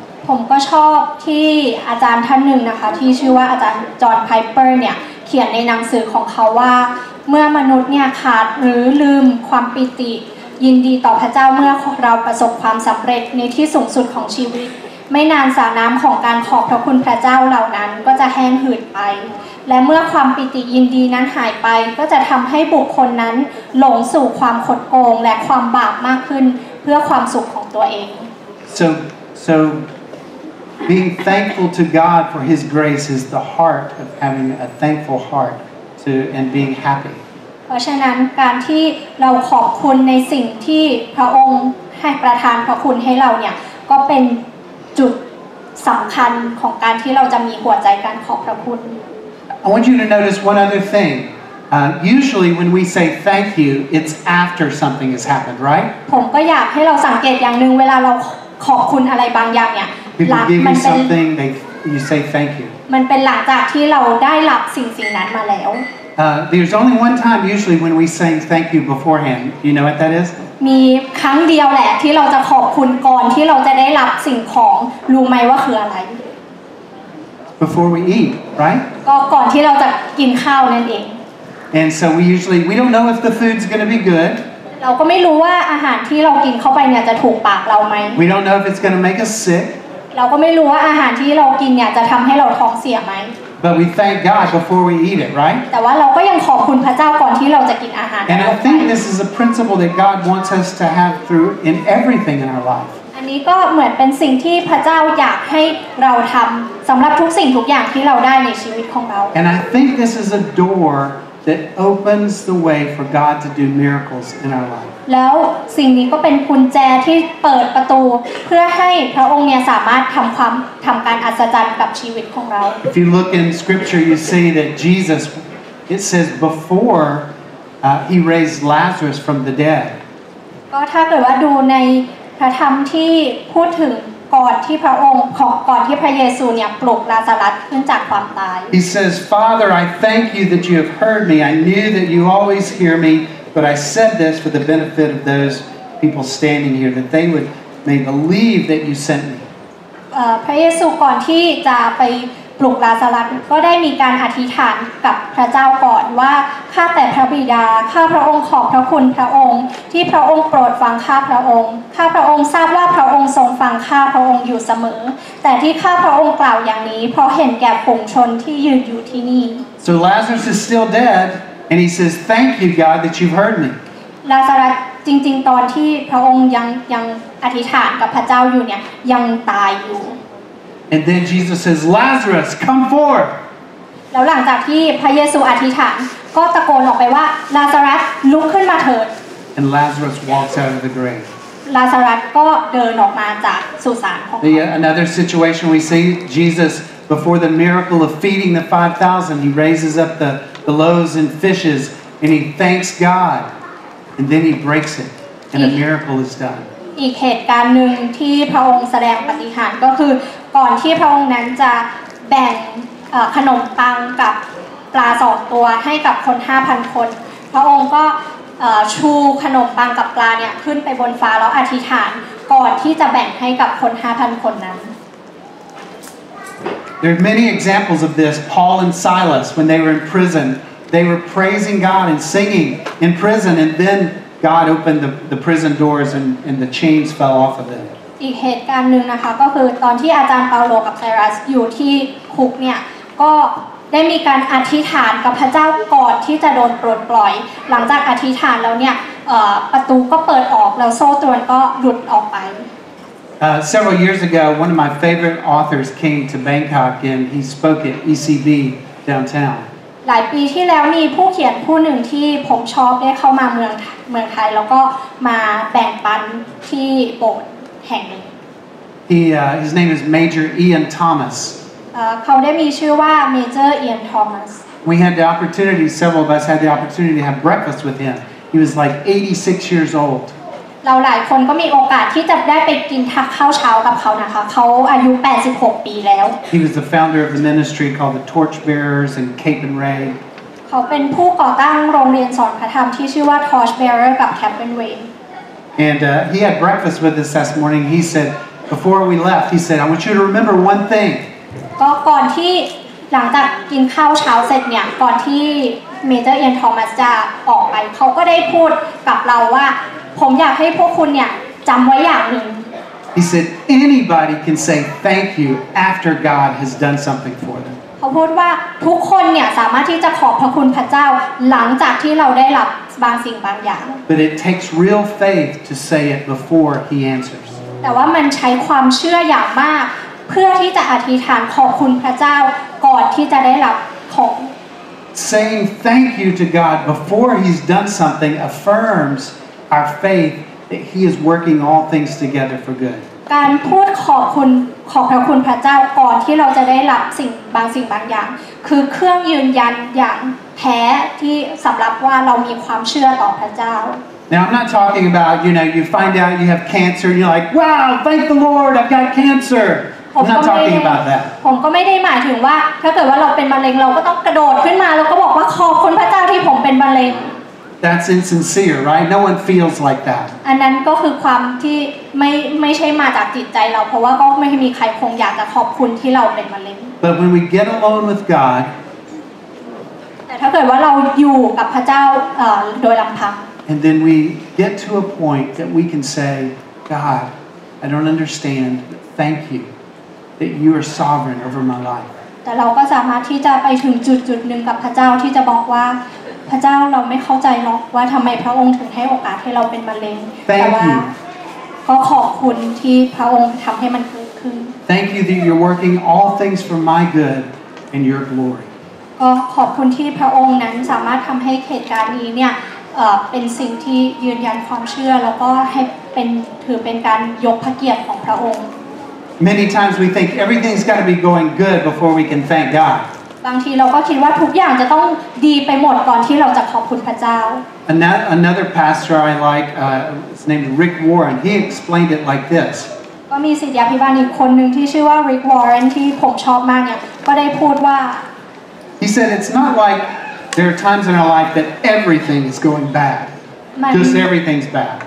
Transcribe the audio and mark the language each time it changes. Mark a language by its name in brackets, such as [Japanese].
[Thai] ผมก็ชอบที่อาจารย์ท่านหนึ่งนะคะที่ชื่อว่าอาจารย์จอห์นไพเปอร์เนี่ยเขียนในหนังสือของเขาว่าเมื่อมนุษย์เนี่ยขาดหรือลืมความปิติยินดีต่อพระเจ้าเมื่อเราประสบความสำเร็จในที่สูงสุดของชีวิตไม่นานสระน้ำของการขอบพระคุณพระเจ้าเหล่านั้นก็จะแห้งหืดไปและเมื่อความปิติยินดีนั้นหายไปก็จะทำให้บุคคลนั้นหลงสู่ความคดโกงและความบาปมากขึ้นเพื่อความสุขของตัวเอง [English] soBeing thankful to God for His grace is the heart of having a thankful heart to and being happy. [Thai] เพราะฉะนั้นการที่เราขอบคุณในสิ่งที่พระองค์ให้ประทานพระคุณให้เราเนี่ยก็เป็นจุดสำคัญของการที่เราจะมีหัวใจการขอบพระคุณ [English] I want you to notice one other thing. Usually when we say thank you, it's after something has happened, right? [Thai] ผมก็อยากให้เราสังเกตอย่างนึงเวลาเราขอบคุณอะไรบางอย่างเนี่ย [English] People give you something, you say thank you. [Thai] มันเป็นหลังจากที่เราได้รับสิ่งนั้นมาแล้ว [English] There's only one time usually when we say thank you beforehand. Do you know what that is? [Thai] มีครั้งเดียวแหละที่เราจะขอบคุณก่อนที่เราจะได้รับสิ่งของรู้ไหมว่าคืออะไร [English] Before we eat, right? [Thai] ก่อนที่เราจะกินข้าวนั่นเอง [English] And so we don't know if the food's going to be good. [Thai] เราก็ไม่รู้ว่าอาหารที่เรากินเข้าไปเนี่ยจะถูกปากเราไหม [English] We don't know if it's going to make us sick. [Thai] เราก็ไม่รู้ว่าอาหารที่เรากินเนี่ยจะทำให้เราท้องเสียไหม [English] But we thank God before we eat it, right? [Thai] แต่ว่าเราก็ยังขอบคุณพระเจ้าก่อนที่เราจะกินอาหาร [English] And I think this is a principle that God wants us to have through in everything in our life. [Thai] อันนี้ก็เหมือนเป็นสิ่งที่พระเจ้าอยากให้เราทำสำหรับทุกสิ่งทุกอย่างที่เราได้ในชีวิตของเรา [English] And I think this is a doorThat opens the way for God to do miracles in our life. [Thai] แล้วสิ่งนี้ก็เป็นกุญแจที่เปิดประตูเพื่อให้พระองค์เนี่ยสามารถทำการอัศจรรย์กับชีวิตของเรา [English] If you look in Scripture, you see that Jesus, it says before he raised Lazarus from the dead. [Thai] ก็ถ้าเกิดว่าดูในพระธรรมที่พูดถึงก่อนที่พระเยซูเนี่ยปลุกลาซารัสขึ้นจากความตาย [English] He says, Father, I thank you that you have heard me. I knew that you always hear me, but I said this for the benefit of those people standing here, that they would may believe that you sent me. [Thai] พระเยซูก่อนที่จะไปปลุกลาซารัสก็ได้มีการอธิษฐานกับพระเจ้าก่อนว่าข้าแต่พระบิดาข้าพระองค์ขอบพระคุณพระองค์ที่พระองค์โปรดฟังข้าพระองค์ข้าพระองค์ทราบว่าพระองค์ทรงฟังข้าพระองค์อยู่เสมอแต่ที่ข้าพระองค์กล่าวอย่างนี้เพราะเห็นแก่ปวงชนที่ยืนอยู่ที่นี่ [English] So Lazarus is still dead and he says thank you God that you've heard me [Thai] ลาซารัสจริงๆตอนที่พระองค์ยังอธิษฐานกับพระเจ้าอยู่เนี่ยยังตายอยู่ [English] And then Jesus says, "Lazarus, come forth." [Thai] แล้วหลังจากที่พระเยซูอธิษฐานก็ตะโกนออกไปว่าลาซารัสลุกขึ้นมาเถิด [English] And Lazarus walks out of the grave. [Thai] ลาซารัสก็เดินออกมาจากสุสานของ [English] Another situation we see Jesus before the miracle of feeding the 5,000, he raises up the loaves and fishes and he thanks God, and then he breaks it, and a miracle is done. [Thai] อีกเหตุการณ์หนึ่งที่พระองค์แสดงปฏิหาริย์ก็คือก่อนที่พระองค์นั้นจะแบ่งขนมปังกับปลา2ตัวให้กับคน 5,000 คนพระองค์ก็ชูขนมปังกับปลาเนี่ยขึ้นไปบนฟ้าแล้วอธิษฐานก่อนที่จะแบ่งให้กับคน 5,000 คนนั้น [English] There are many examples of this Paul and Silas when they were in prison they were praising God and singing in prison and then God opened the prison doors and the chains fell off of them [Thai] อีกเหตุการณ์หนึ่งนะคะก็คือตอนที่อาจารย์เปาโลกับไซรัสอยู่ที่คุกเนี่ย ก็ได้มีการอธิษฐานกับพระเจ้าก่อนที่จะโดนปลดปล่อยหลังจากอธิษฐานแล้วเนี่ยประตูก็เปิดออกแล้วโซ่ตรวนก็หลุดออกไป [English] Several years ago, one of my favorite authors came to Bangkok and he spoke at ECB downtown. [Thai] หลายปีที่แล้วมีผู้เขียนผู้หนึ่งที่ผมชอบได้เข้ามาเมืองไทยแล้วก็มาแบ่งปันที่โบสถ์แห่งนี้ [English] His name is Major Ian Thomas [Thai] เขาได้มีชื่อว่า Major Ian Thomas [English] We had the opportunity several of us had the opportunity to have breakfast with him He was like 86 years old [Thai] เราหลายคนก็มีโอกาสที่จะได้ไปกินข้าวเช้ากับเขานะคะเขาอายุ86ปีแล้ว [English] He was the founder of the ministry called the Torchbearers in Cape and Ray [Thai] เขาเป็นผู้ก่อตั้งโรงเรียนสอนพระธรรมที่ชื่อว่า Torchbearer กับ Cape and Ray [English] And he had breakfast with us this morning he said before we left he said I want you to remember one thing [Thai] ก็ก่อนที่หลังจากกินข้าวเช้าเสร็จเนี่ยก่อนที่เมเจอร์เอียนทอมัสจะออกไปเขาก็ได้พูดกับเราว่าผมอยากให้พวกคุณเนี่ยจำไว้อย่างหนึ่ง [English] He said anybody can say thank you after God has done something for them [Thai] เขาพูดว่าทุกคนเนี่ยสามารถที่จะขอบพระคุณพระเจ้าหลังจากที่เราได้รับบางสิ่งบางอย่าง [English] But it takes real faith to say it before he answers [Thai] แต่ว่ามันใช้ความเชื่ออย่างมากเพื่อที่จะอธิษฐานขอบคุณพระเจ้าก่อนที่จะได้รับของ [English] Saying thank you to God before he's done something affirmsOur faith that He is working all things together for good. [Thai] การพูดขอบคุณพระเจ้าก่อนที่เราจะได้รับสิ่งบางอย่างคือเครื่องยืนยันอย่างแท้ที่สำหรับว่าเรามีความเชื่อต่อพระเจ้า [English] Now I'm not talking about you know you find out you have cancer and you're like wow thank the Lord I've got cancer. I'm not talking about that. [Thai] ผมก็ไม่ได้หมายถึงว่าถ้าเกิดว่าเราเป็นมะเร็งเราก็ต้องกระโดดขึ้นมาแล้วก็บอกว่าขอบคุณพระเจ้าที่ผมเป็นมะเร็ง [English] That's insincere, right? No one feels like that. [Thai] อันนั้นก็คือความที่ไม่ใช่มาจากจิตใจเราเพราะว่าก็ไม่มีใครคงอยากจะขอบคุณที่เราเป็นมะเร็ง [English] But when we get alone with God, [Thai] แต่ถ้าเกิดว่าเราอยู่กับพระเจ้าโดยลำพัง [English] And then we get to a point that we can say, God, I don't understand, but thank you that you are sovereign over my life. [Thai] แต่เราก็สามารถที่จะไปถึงจุดนึงกับพระเจ้าที่จะบอกว่าพระเจ้าเราไม่เข้าใจหรอกว่าทำไมพระองค์ถึงให้โอกาสให้เราเป็นมะเร็ง [English] Thank you. [Thai] ก็ขอบคุณที่พระองค์ทำให้มันเกิดขึ้น [English] Thank you that you're working all things for my good and your glory. [Thai] ก็ขอบคุณที่พระองค์นั้นสามารถทำให้เหตุการณ์นี้เนี่ยเป็นสิ่งที่ยืนยันความเชื่อแล้วก็ให้เป็นถือเป็นการยกพระเกียรติของพระองค์ [English] Many times we think everything's got to be going good before we can thank God. [Thai] บางทีเราก็คิดว่าทุกอย่างจะต้องดีไปหมดก่อนที่เราจะขอบคุณพระเจ้า [English] Another pastor I like is named Rick Warren he explained it like this [Thai] ก็มีศิษยาภิบาลอีกคนนึงที่ชื่อว่า Rick Warren ที่ผมชอบมากเนี่ยก็ได้พูดว่า [English] He said it's not like there are times in our life that everything is going bad just everything's bad